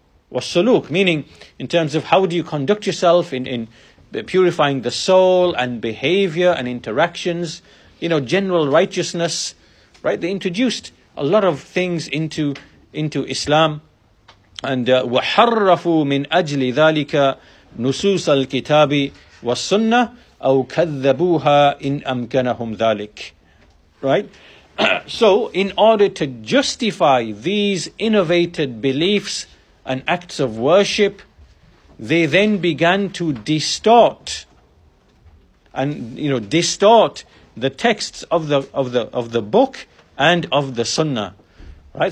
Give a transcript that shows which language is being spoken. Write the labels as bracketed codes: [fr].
[en] Was suluk, meaning in terms of how do you conduct yourself in purifying the soul and behavior and interactions, you know, general righteousness, right? They introduced a lot of things into Islam. [ar] And وَحَرَّفُوا مِنْ أَجْلِ ذَلِكَ نُسُوسَ الْكِتَابِ وَالسُّنَّةِ أَوْ كَذَّبُوهَا إِنْ أَمْكَنَهُمْ ذَلِكَ Right? [en] So, in order to justify these innovated beliefs and acts of worship, they then began to distort and, you know, distort the texts of the book and of the sunnah. Right?